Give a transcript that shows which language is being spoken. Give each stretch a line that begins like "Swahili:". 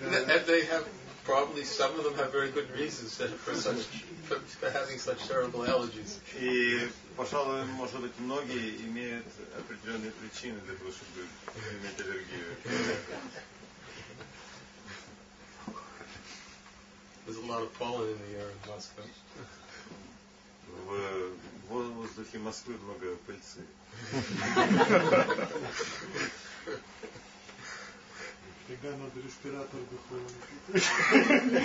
English: And they have probably some of them have very good reasons for having such terrible allergies.
Russian: И, пожалуй, может быть, многие имеют определенные причины для того, чтобы иметь аллергию.
English: There's a lot of pollen in the air in Moscow.
Russian: В воздухе Москвы много пыльцы. Тогда надо респиратор духовный.